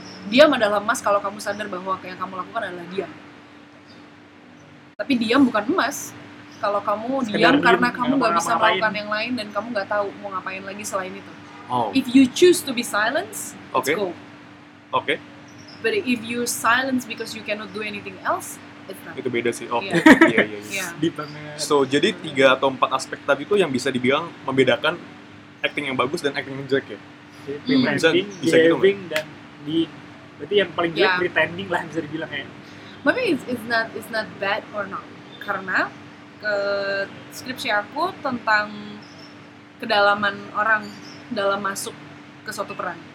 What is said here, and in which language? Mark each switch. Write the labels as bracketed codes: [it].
[id] Diam adalah emas kalau kamu sadar bahwa yang kamu lakukan adalah diam. Tapi diam bukan emas kalau kamu diam karena kamu gak bisa melakukan yang lain dan kamu gak tahu mau ngapain lagi selain itu. Oh. [en] If you choose to be silence, okay, it's gold. Okay. But if you silence because you cannot do anything else, it's not. [id] Itu beda sih. Oke. Iya. So, jadi 3 atau 4 aspek tadi itu yang bisa dibilang membedakan acting yang bagus dan acting yang jelek ya? Pretending, behaving, gitu, dan being. Berarti yang paling jelek pretending lah bisa dibilang ya. [en] Maybe it's not bad or not. [id] Karena skripsi aku tentang kedalaman orang dalam masuk ke suatu peran.